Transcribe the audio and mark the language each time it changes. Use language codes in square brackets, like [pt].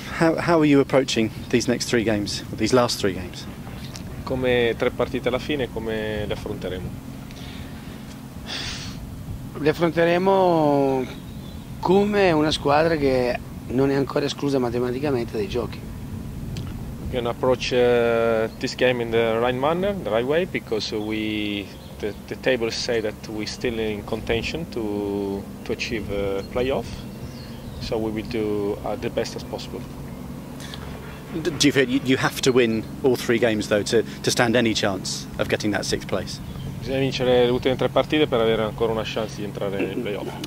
[en] How are you approaching these next three games, or these last three games? [it] Come tre partite alla fine, come le affronteremo? Le affronteremo come una squadra che non è ancora esclusa matematicamente dai giochi. [en] We're going to approach this game in the right manner, the right way, because the tables say that we're still in contention to achieve playoff. So we will do the best as possible. Do you feel you have to win all three games though to stand any chance of getting that sixth place? [it] Bisogna vincere le ultime tre partite per avere ancora una chance di entrare nei playoff.